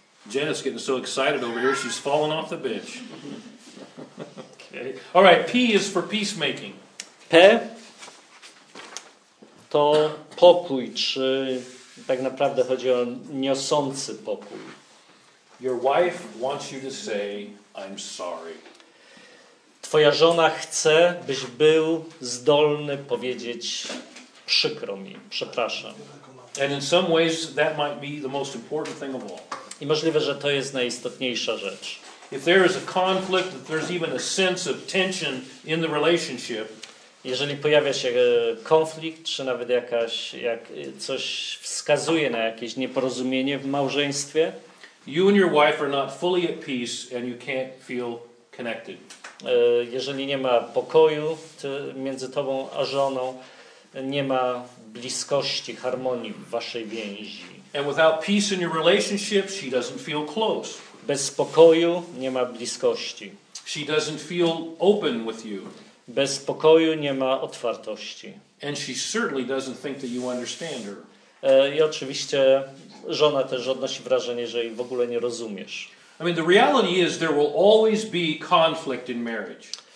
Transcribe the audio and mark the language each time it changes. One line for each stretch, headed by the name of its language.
English: Jenna's getting so excited over here, she's falling off the bench. Okay. All right, P is for peacemaking.
Polish: P to pokój, czy tak naprawdę chodzi o niosący pokój.
English: Your wife wants you to say, I'm sorry.
Polish: Twoja żona chce, byś był zdolny powiedzieć, przykro mi, przepraszam.
English: And in some ways that might be the most important thing of all.
Polish: I możliwe, że to jest najistotniejsza rzecz.
English: If there is a conflict, if there's even a sense of tension in the relationship,
Polish: jeżeli pojawia się konflikt, czy nawet coś wskazuje na jakieś nieporozumienie w małżeństwie,
English: you and your wife are not fully at peace and you can't feel connected.
Polish: Jeżeli nie ma pokoju między tobą a żoną, nie ma bliskości, harmonii w waszej więzi.
English: And without peace in your relationship, she doesn't feel close.
Polish: Bez pokoju nie ma bliskości.
English: She doesn't feel open with you.
Polish: Bez pokoju nie ma otwartości.
English: And she certainly doesn't think that you understand her.
Polish: I oczywiście żona też odnosi wrażenie, że jej w ogóle nie rozumiesz.
English: I mean, the reality is there will always be conflict in marriage.